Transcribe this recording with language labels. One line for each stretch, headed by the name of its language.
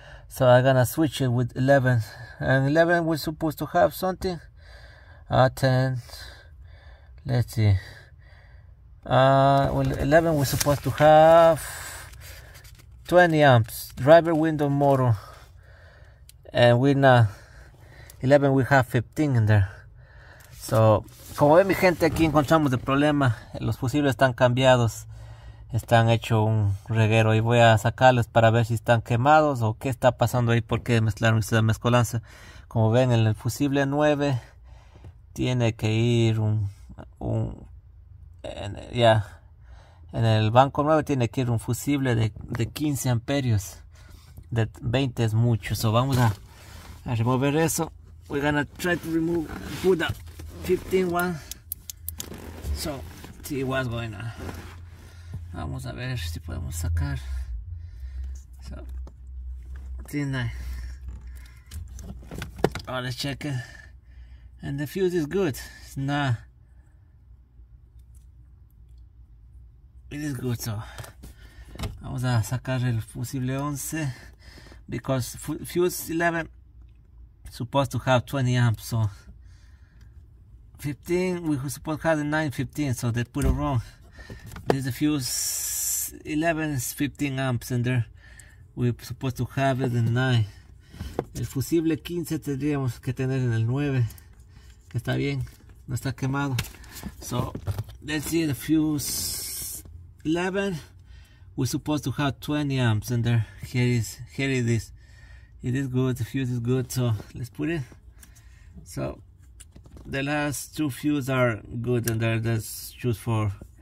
English: So I'm gonna switch it with 11, and 11, we're supposed to have something. 10, let's see. Well, 11, we're supposed to have 20 amps, driver window motor, and we're not. 11, we have 15 in there.
Spanish: So, como ven, mi gente, aquí encontramos el problema. Los fusibles están cambiados. están hecho un reguero. Y voy a sacarlos para ver si están quemados o qué está pasando ahí, por qué mezclaron esta mezcolanza. Como ven, el fusible 9 tiene que ir en el banco 9 tiene que ir un fusible de 15 amperios. De 20 es mucho. So vamos a remover eso.
English: We're gonna try to remove put the 15 one. So see what's going on.
Spanish: Vamos a ver si podemos sacar.
English: So, 15. Oh, let's check it. And the fuse is good. It's not. It is good, so.
Spanish: Vamos a sacar el fusible 11.
English: Because fuse 11 supposed to have 20 amps, so. 15, we supposed to have the 915, so they put it wrong. This is the fuse 11 is 15 amps and there we supposed to have it in 9.
Spanish: El fusible 15 tendríamos que tener en el 9, que está bien, no está quemado.
English: So let's see the fuse 11, we supposed to have 20 amps and there here it is. It is good, the fuse is good, so let's put it. So the last two fuse are good and there, let's choose for.